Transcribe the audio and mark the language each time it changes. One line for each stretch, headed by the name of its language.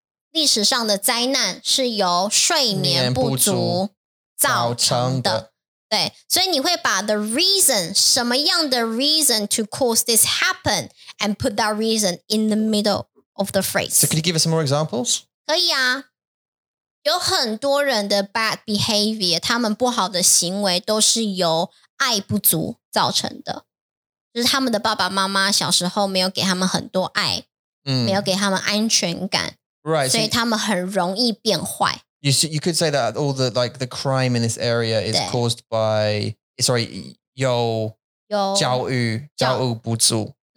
Chinese: 历史上的灾难是由睡眠不足造成的。
English: 对,
Chinese: 所以你会把
English: the reason,
Chinese: 什么样的
English: reason to cause this happen, and put that reason in the middle of the phrase. So could you give us some more examples?
Chinese: 可以啊, 有很多人的 bad behavior, 他们不好的行为都是由爱不足造成的, 就是他们的爸爸妈妈小时候没有给他们很多爱, 没有给他们安全感,
English: right,
Chinese: 所以他们很容易变坏。
English: You could say that all the, like, the crime in this area is caused by, sorry,
Chinese: 有教育不足.